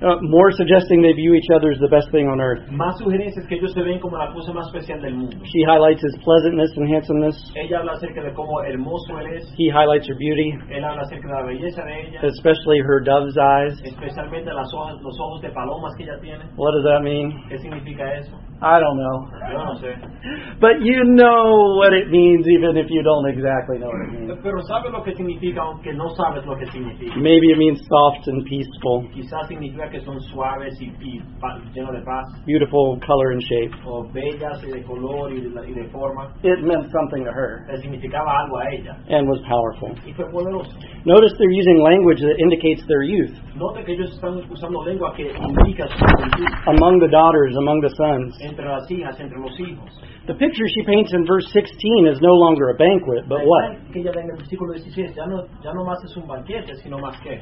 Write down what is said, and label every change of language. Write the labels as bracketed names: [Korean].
[English] More suggesting they view each other as the best thing on earth. [Spanish] Más sugerencias que ellos se ven como la cosa más especial del mundo. [English] She highlights his pleasantness and handsomeness. [Spanish] Ella habla acerca de cómo hermoso él es. [English] He highlights her beauty. [Spanish] Él habla acerca de la belleza de ella. [English] Especially her dove's eyes. [Spanish] Especialmente las ojos, los ojos de palomas que ella tiene. [English] What does that mean? [Spanish] ¿Qué significa eso? [English] I don't know. [Spanish] Yo no sé. [English] But you know what it means, even if you don't exactly know what it means. [Spanish] Pero sabes lo que significa, aunque no sabes lo que significa. [English] Maybe it means soft and peaceful. [Spanish] Quizás significa que son suaves y llenos de paz. [English] Beautiful color and shape. [Spanish] O bellas y de color y de forma. [English] It meant something to her. [Spanish] Le significaba algo a ella. [English] And was powerful. [Spanish] Y fue poderoso. [English] Notice they're using language that indicates their youth. [Spanish] Nota que ellos están usando lengua que indica su juventud. [English] Among the daughters, among the sons. [Spanish] Entre las hijas, entre los hijos. [English] The picture she paints in verse 16 is no longer a banquet, but what? [Spanish] Que ella ve en el versículo 16 ya no más es un banquete, sino más que.